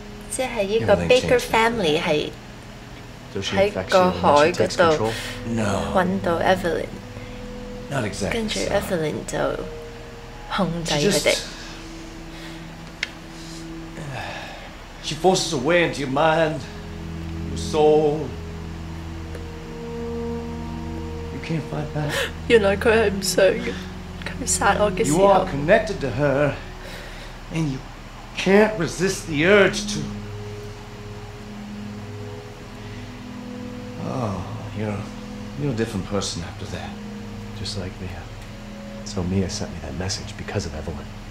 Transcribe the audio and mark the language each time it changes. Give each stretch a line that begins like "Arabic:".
Cantonese: 即係依個Baker family喺個海嗰度揾到Evelyn， 跟住Evelyn就控制佢哋。She
English: forces her way into your mind, your soul. You can't fight back.
Cantonese: 原來佢係唔想嘅，佢殺我嘅時候。
English: You are connected to her, and you can't resist the urge to. You're a different person after that. Just like Mia. So Mia sent me that message because of Evelyn.